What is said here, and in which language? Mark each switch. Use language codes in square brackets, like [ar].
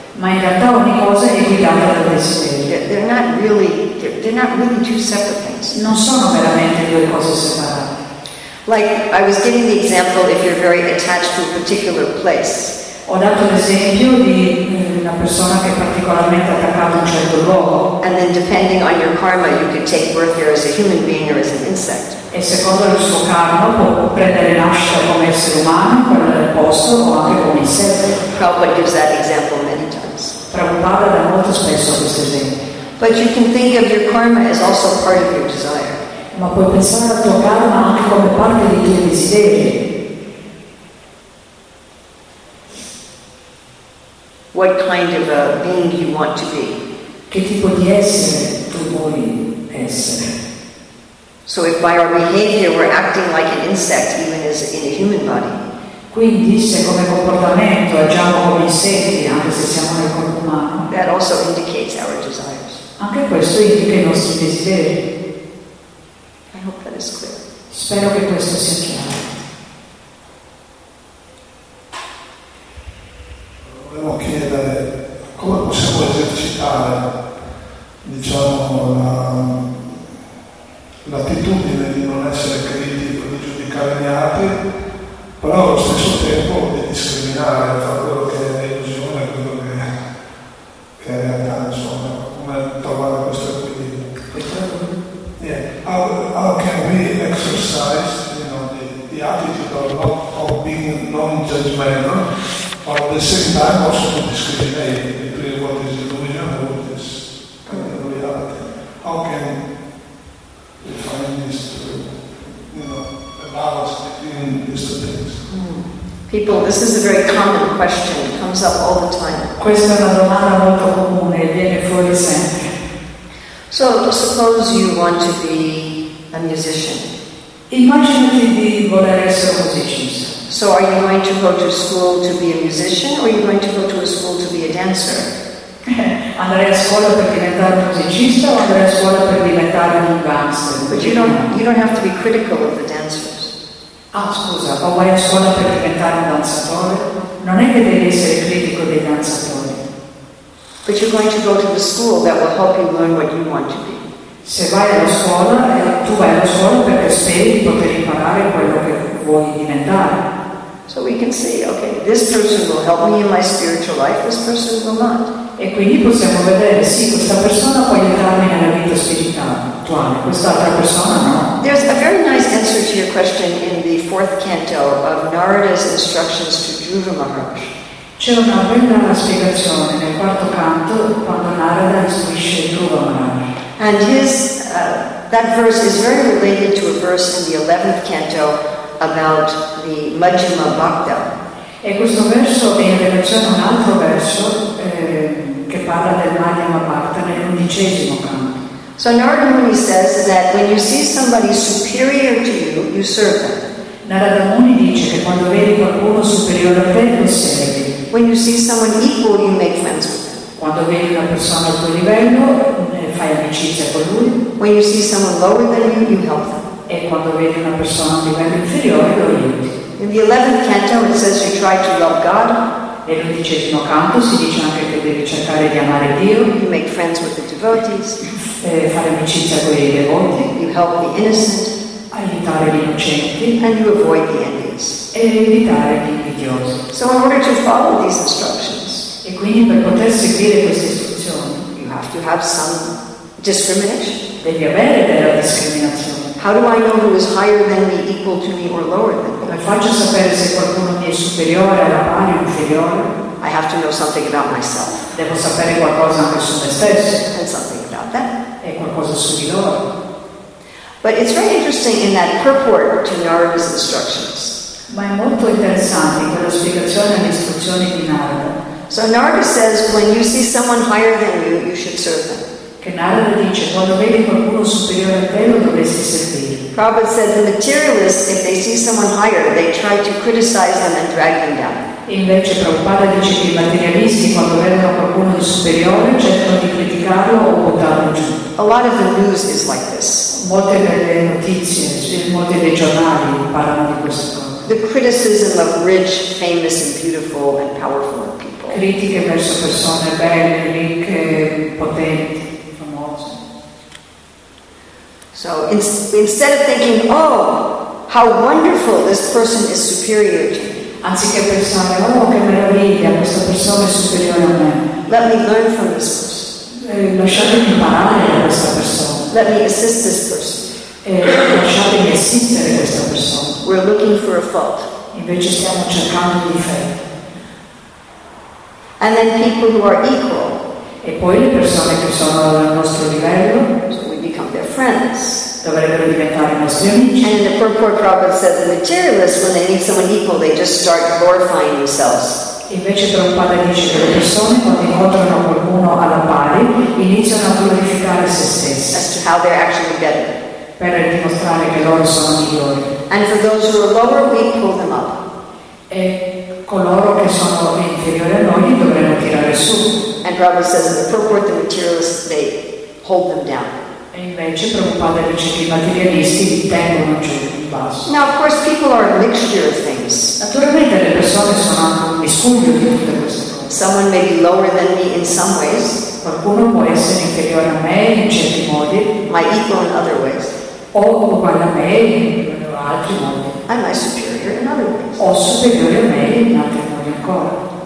[it] Ma in realtà ogni cosa è guidata dal desiderio. [en] They're not really two separate things. [it] Non sono veramente due cose separate. [en] Like I was giving the example, if you're very attached to a particular place. [it] Ho dato l'esempio di una persona che è particolarmente attaccata a un certo luogo. [en] And then depending on your karma, you could take birth here as a human being or as an insect. [it] E secondo il suo karma può prendere nascita come essere umano, quello del posto o anche come insetto. [en] Prabhupada gives that example many times. [it] Prabhupada dà molto spesso questo esempio. [en] But you can think of your karma as also part of your desire. [it] Ma puoi pensare al tuo karma anche come parte dei tuoi desideri. [en] What kind of a being you want to be. [it] Che tipo di essere tu vuoi essere. [en] So if by our behavior we're acting like an insect, even as in a human body. [it] Quindi se come comportamento agiamo come insetti, anche se siamo nel corpo umano. [en] That also indicates our desires. [it] Anche questo indica i nostri desideri. [en] I hope that is clear. [it] Spero che questo sia chiaro. Volevo chiedere come possiamo esercitare, diciamo, l'attitudine di non essere critico, di giudicare gli altri, però allo stesso tempo di discriminare tra quello che è illusione e quello che è realtà, insomma, come trovare questo equilibrio. [en] How can we exercise, you know, the attitude of being non-judgmental? But at the same time, also to discriminate between what is illusion and what is reality. How can we find this, you know, a balance between these two things? People, this is a very common question. It comes up all the time. [it] Questa è una domanda molto comune, viene fuori sempre. [en] So, suppose you want to be a musician. [it] Immaginati di voler essere musicista. [en] So are you going to go to school to be a musician or are you going to go to a school to be a dancer? [it] Andrei a scuola per diventare musicista o andrei a scuola per diventare un dancer? [en] But you don't have to be critical of the dancers. [it] Ah, scusa, o vai a scuola per diventare un danzatore? Non è che devi essere critico dei danzatori. [en] But you're going to go to the school that will help you learn what you want to be. [it] Se vai alla scuola, tu vai alla scuola perché speri di poter imparare quello che vuoi diventare. [en] So we can see, okay, this person will help me in my spiritual life, this person will not. [it] E quindi possiamo vedere, sì, questa persona può aiutarmi nella vita spirituale, quest'altra persona no. [en] There's a very nice answer to your question in the fourth canto of Narada's instructions to Dhruva Maharaj. [it] C'è una bella spiegazione nel quarto canto quando Narada istruisce Dhruva Maharaj. [en] And his that verse is very related to a verse in the 11th canto about the Majjhima Bhakta. [it] E questo verso è in relazione a un altro verso che parla del Majjhima Bhakta nell'undicesimo canto. [en] So Narada Muni says that when you see somebody superior to you, you serve them. [it] Narada Muni dice che quando vedi qualcuno superiore a te, lo segui. [en] When you see someone equal, you make friends with them. [it] Quando vedi una persona al tuo livello, fai amicizia con lui. [en] When you see someone lower than you, you help them. [it] E quando vedi una persona a livello inferiore, lo aiuti. [en] In the 11th canto, it says you try to love God. [it] E l'undicesimo canto si dice anche che devi cercare di amare Dio. [en] You make friends with the devotees. [it] E fare amicizia con i devoti. [en] You help the innocent. [it] Aiutare gli innocenti. [en] And you avoid the envious. [it] E evitare gli invidiosi. [en] So in order to follow these instructions. [it] E quindi per poter seguire queste istruzioni. [en] Have to have some discrimination. [it] Devi avere della discriminazione. [en] How do I know who is higher than me, equal to me, or lower than me? [it] Come faccio a sapere se qualcuno mi è superiore, alla pari, inferiore? [en] I have to know something about myself. [it] Devo sapere qualcosa anche su me stesso. [en] And something about that. [it] E qualcosa su di loro. [en] But it's very interesting in that purport to Narada's instructions. [it] Ma è molto interessante in quella spiegazione e istruzioni di Narada. [en] So Narada says, when you see someone higher than you, you should serve them. [it] Che Narada dice, quando vedi qualcuno superiore a te, lo dovresti servire. [en] Prabhupada said, the materialists, if they see someone higher, they try to criticize them and drag them down. [it] Invece Prabhupada dice che i materialisti, quando vedono qualcuno superiore, cercano di criticarlo o buttarlo giù. [en] A lot of the news is like this. [it] Molte delle notizie, molte dei giornali parlano di questo. [en] The criticism of rich, famous, and beautiful, and powerful. [it] Critiche verso persone belle, ricche, potenti, famose. [en] So instead of thinking, oh, how wonderful this person is superior to me. [it] Anziché pensare, oh, che meraviglia, questa persona è superiore a me. [en] Let me learn from this person. [it] Lasciatemi imparare da questa persona. [en] Let me assist this person. [it] Lasciatemi assistere questa persona. [en] We're looking for a fault. [it] Invece stiamo cercando un difetto. [en] And then people who are equal. [it] E poi le persone che sono al nostro livello. [en] So we become their friends. [it] Dovrebbero diventare nostri amici. [en] And in the purport, Prabhupada said the materialists, when they meet someone equal, they just start glorifying themselves. [it] Invece Prabhupada dice che le persone, quando incontrano qualcuno alla pari, iniziano a glorificare se stessi. [en] As to how they're actually better. [it] per dimostrare che loro sono migliori. [en] And for those who are lower, we pull them up. [it] E coloro che sono inferiori a noi li dovremmo tirare su. [en] And Prabhupada says in the purport, the materialists, they hold them down. [it] E invece Prabhupada dice che i materialisti li tengono giù in basso. [en] Now, of course, people are a mixture of things. [it] Naturalmente le persone sono un miscuglio di tutte queste cose. [en] Someone may be lower than me in some ways. [it] Qualcuno può essere inferiore a me in certi modi. [en] My equal in other ways. [it] O uguale a me in altri modi. [en] I'm my superior in other ways. [it] O superiore a me in altri modi ancora.